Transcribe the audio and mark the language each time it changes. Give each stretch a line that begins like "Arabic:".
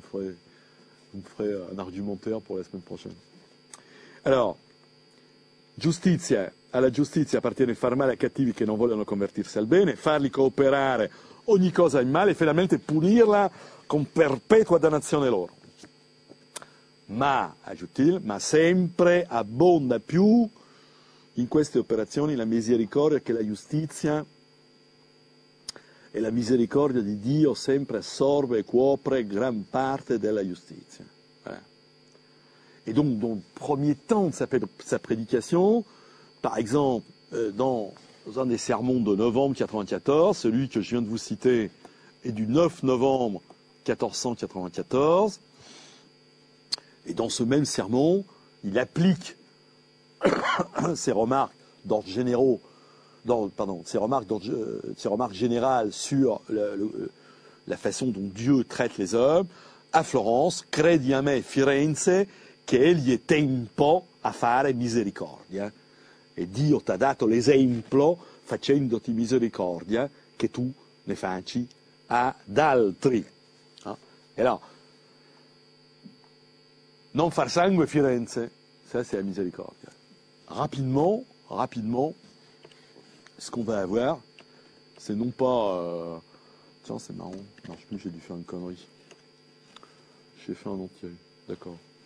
French: Vous me ferez un argumentaire pour la semaine prochaine. Alors, giustizia.
Italian: Alla giustizia appartiene far male a cattivi che non vogliono convertirsi al bene, farli cooperare ogni cosa in male e finalmente punirla con perpetua dannazione loro. Ma, aggiunge-t-il, ma sempre abbonda più in queste operazioni la misericordia che la giustizia e la misericordia di Dio sempre assorbe e copre gran parte della giustizia.
French: Voilà. Et donc, dans le premier temps de sa prédication, par exemple, dans un des sermons de novembre 1994, celui que je viens de vous citer est du 9 novembre 1494, et dans ce même sermon, il applique ses remarques d'ordre généraux, ses remarques générales sur la façon dont Dieu traite les hommes, à Florence,
Italian: credi a me Firenze, che egli è tempo a fare misericordia. E Dio t'ha dato l'esempio facendoti misericordia che tu ne facci ad altri.
French: Et là,
Italian: non far sangue Firenze,
French: ça c'est la miséricorde. Rapidement, ce qu'on va avoir, c'est non pas... Tiens, c'est marrant, non, j'ai dû faire une connerie. J'ai fait un entier, d'accord.